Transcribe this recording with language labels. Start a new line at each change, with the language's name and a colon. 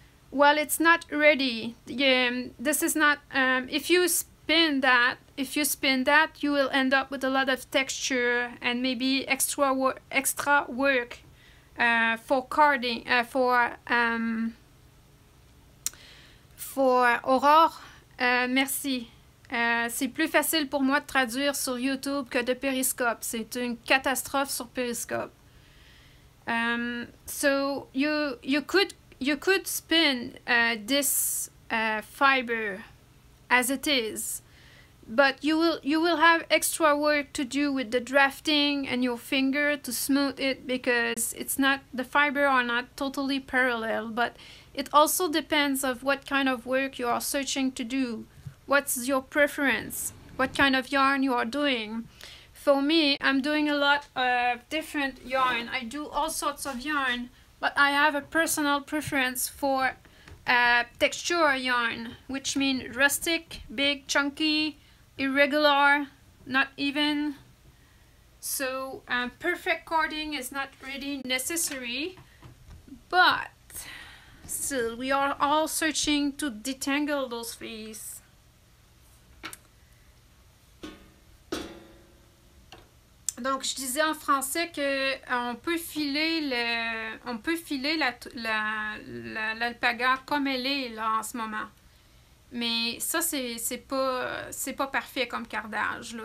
English: Well, it's not ready. This is not, if you spin that, you will end up with a lot of texture and maybe extra work for carding, for Aurore.
French: Merci. C'est plus facile pour moi de traduire sur YouTube que de Periscope. C'est une catastrophe sur Periscope.
English: So you could spin this fiber as it is, but you will have extra work to do with the drafting and your finger to smooth it, because it's not, the fiber are not totally parallel. But it also depends of what kind of work you are searching to do, what's your preference, what kind of yarn you are doing. For me, I'm doing a lot of different yarn. I do all sorts of yarn, but I have a personal preference for texture yarn, which means rustic, big, chunky, irregular, not even. So perfect carding is not really necessary, but still, we are all searching to detangle those fleas.
French: Donc, je disais en français qu'on peut filer l'alpaga comme elle est là en ce moment. Mais ça, c'est pas parfait comme cardage. Là.